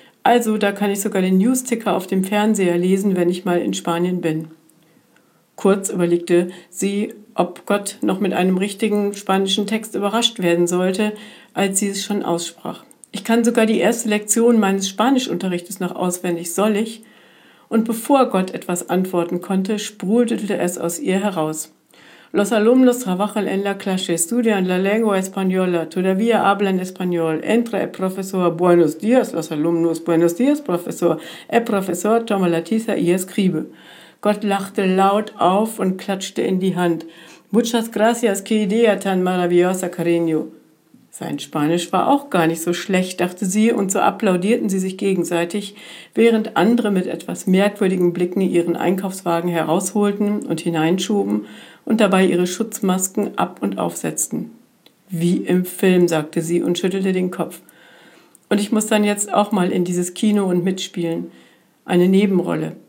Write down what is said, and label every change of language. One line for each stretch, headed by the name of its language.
German: Also, da kann ich sogar den News-Ticker auf dem Fernseher lesen, wenn ich mal in Spanien bin.« Kurz überlegte sie, ob Gott noch mit einem richtigen spanischen Text überrascht werden sollte, als sie es schon aussprach. »Ich kann sogar die erste Lektion meines Spanischunterrichtes noch auswendig, soll ich?« Und bevor Gott etwas antworten konnte, sprudelte es aus ihr heraus.
Spanish: Los alumnos trabajan en la clase, estudian la lengua española, todavía hablan español. Entra el profesor, buenos días, los alumnos, buenos días, profesor. El profesor toma la tiza y escribe.
German: Gott lachte laut auf und klatschte in die Hand.
Spanish: Muchas gracias, qué idea tan maravillosa, cariño.
German: Sein Spanisch war auch gar nicht so schlecht, dachte sie, und so applaudierten sie sich gegenseitig, während andere mit etwas merkwürdigen Blicken ihren Einkaufswagen herausholten und hineinschoben und dabei ihre Schutzmasken ab- und aufsetzten. »Wie im Film«, sagte sie und schüttelte den Kopf. »Und ich muss dann jetzt auch mal in dieses Kino und mitspielen. Eine Nebenrolle.